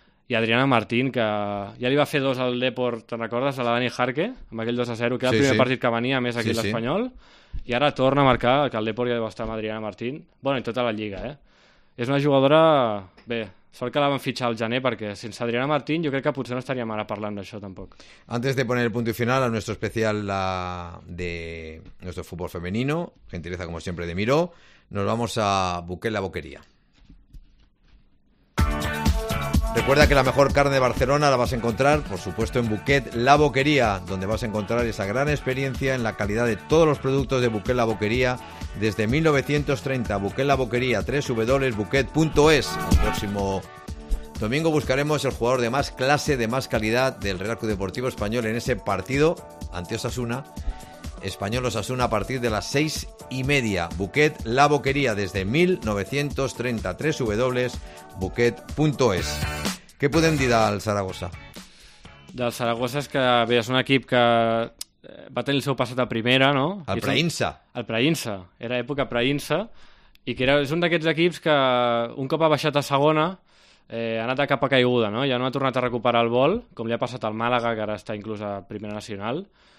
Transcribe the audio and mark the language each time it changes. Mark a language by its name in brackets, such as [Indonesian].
[Catalan] I Adriana Martín, que ja li va fer dos al Depor, te'n recordes, a la Dani Jarque, amb aquell 2-0, que era el primer partit que venia més aquí l'Espanyol. I ara torna a marcar, que el Depor ja deu estar amb Adriana Martín. Bueno, en tota la Lliga, eh? És una jugadora... Bé, sort que la van fitxar al gener, perquè sense Adriana Martín jo crec que potser no estaríem ara parlant d'això tampoc. [Spanish] Antes de poner el punto final a nuestro especial de nuestro fútbol femenino, gentileza como siempre de Miró, nos vamos a Bouquet la Boquería. Recuerda que la mejor carne de Barcelona la vas a encontrar, por supuesto, en Bouquet La Boquería, donde vas a encontrar esa gran experiencia en la calidad de todos los productos de Bouquet La Boquería desde 1930. Bouquet La Boquería, www.bouquet.es. El próximo domingo buscaremos el jugador de más clase, de más calidad del Real Club Deportivo Español en ese partido ante Osasuna. Español Osasuna a partir de las 6:30. Bouquet La Boquería desde 1930. www.bouquet.es. [Catalan] Què podem dir del Zaragoza? Del Zaragoza és que bé, és un equip que va tenir el seu passat a primera, no? El Preinsa. El Preinsa. Era època Preinsa. I que és un d'aquests equips que un cop ha baixat a segona ha anat a cap a caiguda, no? Ja no ha tornat a recuperar el vol, com li ha passat al Màlaga, que ara està inclús a primera nacional.